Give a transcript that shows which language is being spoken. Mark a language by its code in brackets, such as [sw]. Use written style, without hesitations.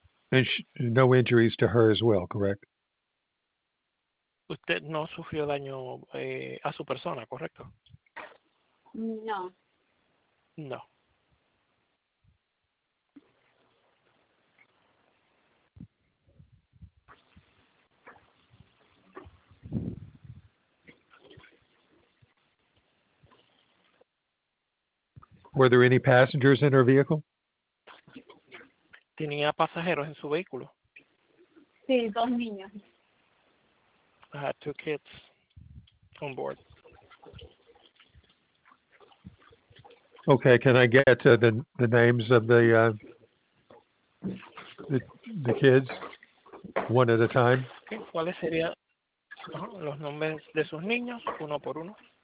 [en] And no injuries to her as well, correct? [es] Usted no sufrió daño a su persona, ¿correcto? No. [en] No. Were there any passengers in her vehicle? [es] ¿Tenía pasajeros en su vehículo? Sí, dos niños. [en] I had two kids on board. Okay, can I get the names of the kids one at a time? [es] Okay, ¿cuáles serían los nombres de sus niños uno por uno?